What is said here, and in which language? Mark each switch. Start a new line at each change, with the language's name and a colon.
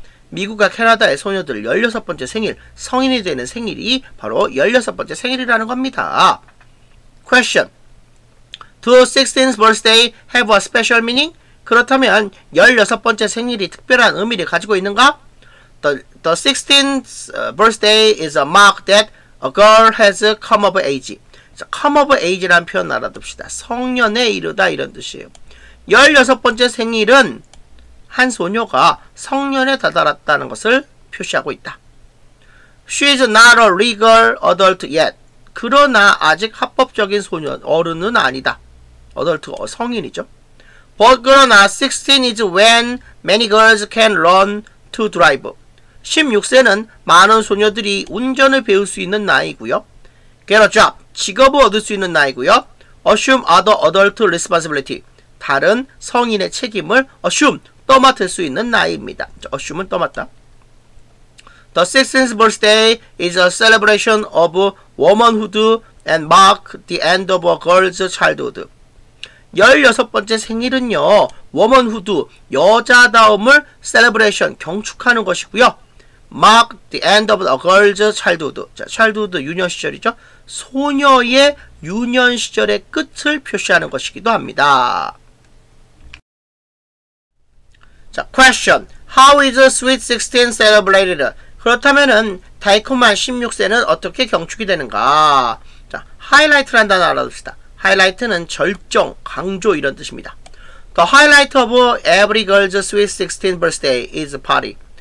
Korean: 미국과 캐나다의 소녀들 16번째 생일, 성인이 되는 생일이 바로 16번째 생일이라는 겁니다.
English: Question. Do 16th birthday have a special meaning?
Korean: 그렇다면 16번째 생일이 특별한 의미를 가지고 있는가?
English: The 16th birthday is a mark that a girl has come of age. So, come of age
Korean: 라는 표현 알아둡시다. 성년에 이르다 이런 뜻이에요. 16번째 생일은 한 소녀가 성년에 다다랐다는 것을 표시하고 있다.
English: She is not a legal adult yet.
Korean: 그러나 아직 합법적인 소년, 어른은 아니다. Adult, 성인이죠.
English: But 그러나 16 is when many girls can learn to drive.
Korean: 16세는 많은 소녀들이 운전을 배울 수 있는 나이고요.
English: Get a job.
Korean: 직업을 얻을 수 있는 나이고요.
English: Assume other adult responsibility.
Korean: 다른 성인의 책임을
English: assume.
Korean: 떠맡을 수 있는 나이입니다. Assume은 떠맡다.
English: The 16th birthday is a celebration of womanhood and mark the end of a girl's childhood.
Korean: 16번째 생일은요, womanhood, 여자다움을 celebration, 경축하는 것이고요.
English: Mark the end of a girl's childhood.
Korean: 자, childhood, 유년 시절이죠. 소녀의 유년 시절의 끝을 표시하는 것이기도 합니다.
English: 자, question. How is a sweet 16 celebrated?
Korean: 그렇다면은 달콤한 16세는 어떻게 경축이 되는가? 자, highlight란 단어 알아둡시다. highlight는 절정, 강조 이런 뜻입니다.
English: The highlight of every girl's sweet 16 birthday is party.